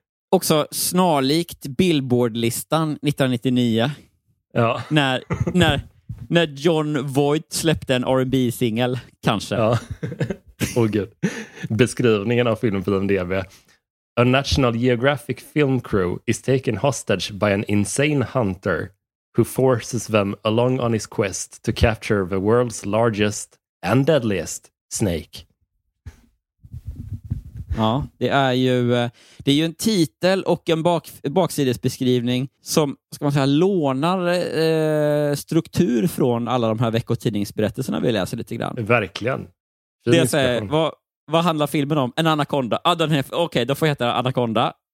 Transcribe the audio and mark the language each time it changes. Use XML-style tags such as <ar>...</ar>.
<sv>Också snarlikt Billboard-listan 1999. Ja. När John Voight släppte en R&B-singel, kanske. Ja. Oh, gud. Beskrivningen av filmen på IMDb.</sv> <en>A National Geographic film crew is taken hostage by an insane hunter who forces them along on his quest to capture the world's largest and deadliest snake.</en> <sv>Ja, det är ju en titel och en baksidesbeskrivning som, ska man säga, lånar struktur från alla de här veckotidningsberättelserna vi läser lite grann. Verkligen. Det jag säger, vad handlar filmen om? En anaconda. Ah, den här, okej, då får jag heta anaconda.</sv>